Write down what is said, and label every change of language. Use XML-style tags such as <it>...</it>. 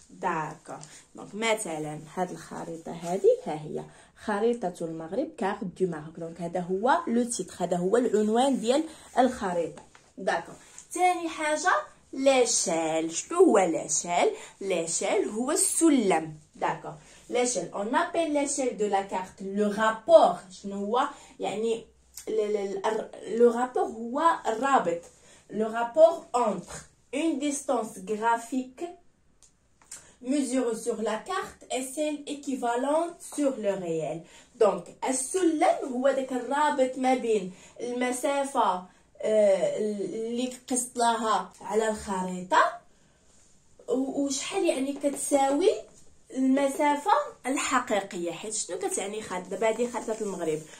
<ar>داكو دونك مثلا هاد الخريطه هادي ها هي خريطه المغرب</ar> <fr>كارت دو ماروك.</fr> <ar>دونك هذا هو</ar> <fr>لو تيتر،</fr> <ar>هذا هو العنوان ديال الخريطه. داكو ثاني حاجه لاشيل. شنو هو لاشيل؟ لاشيل هو السلم. داكو</ar> <fr>L'échelle, on appelle l'échelle de la carte le rapport, je ne vois, yani, le rapport</fr> <ar>wa rabit,</ar> <fr>le rapport entre une distance graphique mesurée sur la carte et celle équivalente sur le réel.</fr> <ar>Donc, السلم هو داك الرابط ما بين المسافة اللي قست لها على الخريطة وشحال يعني كتساوي المسافة الحقيقية حيت شنو كتعني خريطة دابا هذه خريطة المغرب</ar>